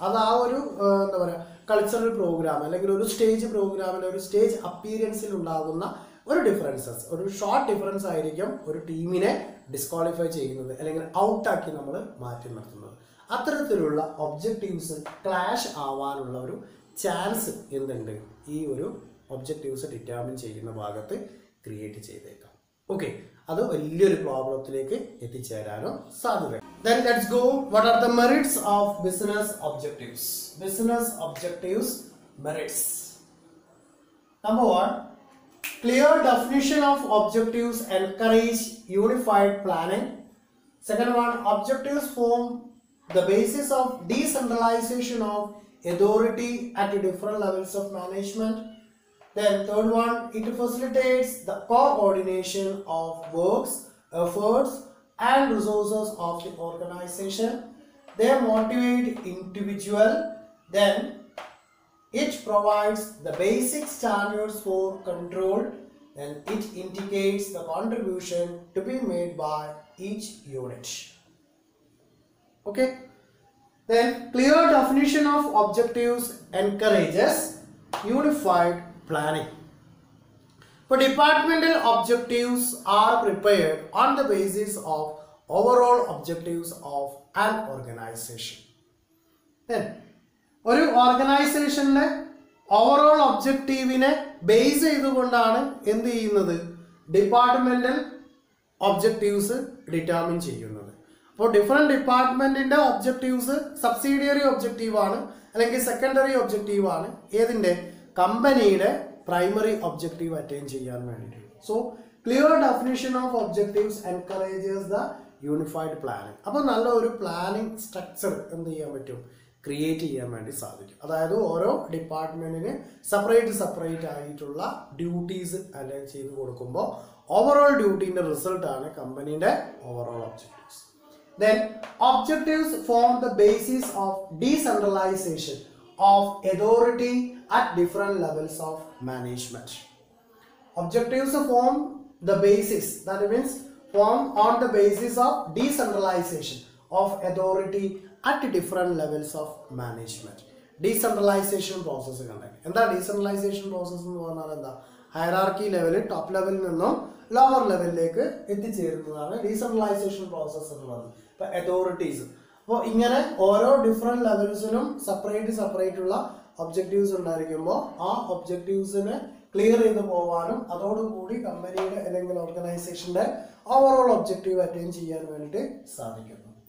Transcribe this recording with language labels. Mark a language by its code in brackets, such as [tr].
[ml] അത് ആ ഒരു എന്താ പറയുക, കൾച്ചറൽ പ്രോഗ്രാം അല്ലെങ്കിൽ ഒരു സ്റ്റേജ് പ്രോഗ്രാമിൽ, ഒരു സ്റ്റേജ് അപ്പീരൻസിൽ ഉണ്ടാകുന്ന ഒരു ഡിഫറൻസസ്, ഒരു ഷോർട്ട് ഡിഫറൻസ് ആയിരിക്കും ഒരു ടീമിനെ ഡിസ്ക്വാളിഫൈ ചെയ്യുന്നത് അല്ലെങ്കിൽ ഔട്ടാക്കി നമ്മൾ മാറ്റി നിർത്തുന്നത്. അത്തരത്തിലുള്ള ഒബ്ജക്റ്റീവ്സ് ക്ലാഷ് ആവാനുള്ള ഒരു ചാൻസ് എന്തുണ്ട്? ഈ ഒരു ഒബ്ജക്റ്റീവ്സ് ഡിറ്റർമിൻ ചെയ്യുന്ന ഭാഗത്ത് ക്രിയേറ്റ് ചെയ്തേക്കാം. ഓക്കെ, അത് വലിയൊരു പ്രോബ്ലത്തിലേക്ക് എത്തിച്ചേരാനും സാധ്യത. [en] Then let's go, what are the merits of business objectives? Business objectives merits. Number one, clear definition of objectives encourage unified planning. Second one, objectives form the basis of decentralization of authority at different levels of management. Then third one, it facilitates the coordination of works, efforts and resources of the organization. They motivate individual. Then it provides the basic standards for control. Then it indicates the contribution to be made by each unit. Okay, then clear definition of objectives encourages unified planning. For departmental objectives are prepared on the basis of overall objectives of an organization. [ml] ഒരു ഓർഗനൈസേഷന്റെ overall ഒബ്ജക്റ്റീവിനെ base ചെയ്തുകൊണ്ടാണ് എന്ത് ചെയ്യുന്നത്, departmental objectives determine ചെയ്യുന്നത്. അപ്പോൾ different ഡിപ്പാർട്ട്മെന്റിന്റെ objectives subsidiary objective ആണ് അല്ലെങ്കിൽ സെക്കൻഡറി ഒബ്ജക്റ്റീവ് ആണ്, ഏതിൻ്റെ കമ്പനിയുടെ പ്രൈമറി ഒബ്ജക്റ്റീവ് അറ്റൈൻ ചെയ്യാൻ വേണ്ടിയിട്ട്. [en] So clear definition of objectives encourages the unified planning. [ml] അപ്പോൾ നല്ല ഒരു പ്ലാനിംഗ് സ്ട്രക്ചർ എന്ത് ചെയ്യാൻ പറ്റും, ക്രിയേറ്റ് ചെയ്യാൻ വേണ്ടി സാധിക്കും. അതായത് ഓരോ ഡിപ്പാർട്ട്മെന്റിന് സെപ്പറേറ്റ് സെപ്പറേറ്റ് ആയിട്ടുള്ള ഡ്യൂട്ടീസ് അറ്റൈൻ ചെയ്ത് കൊടുക്കുമ്പോൾ ഓവറോൾ ഡ്യൂട്ടീൻ്റെ റിസൾട്ട് ആണ് കമ്പനിയുടെ overall objectives. [en] Then objectives form the basis of decentralization of authority at different levels of management. Objectives form the basis, that means form on the basis of decentralization of authority at different levels of management. Decentralization process is going to be. And that decentralization process is going to be. [ml] Hierarchy ലെവലിൽ top ലെവലിൽ നിന്നും lower ലെവലിലേക്ക് എത്തിച്ചേരുന്നതാണ് decentralisation process എന്ന് പറയുന്നത്. ഇപ്പൊ authorities, അപ്പോൾ ഇങ്ങനെ ഓരോ ഡിഫറെന്റ് ലെവൽസിനും സെപ്പറേറ്റ് സെപ്പറേറ്റ് ഉള്ള ഒബ്ജക്റ്റീവ്സ് ഉണ്ടായിരിക്കുമ്പോൾ ആ ഒബ്ജക്റ്റീവ്സിനെ ക്ലിയർ ചെയ്ത് പോകാനും അതോടുകൂടി കമ്പനിയുടെ അല്ലെങ്കിൽ ഓർഗനൈസേഷന്റെ ഓവറോൾ ഒബ്ജക്റ്റീവ് അറ്റൈൻ ചെയ്യാൻ വേണ്ടിട്ട് സാധിക്കുന്നു.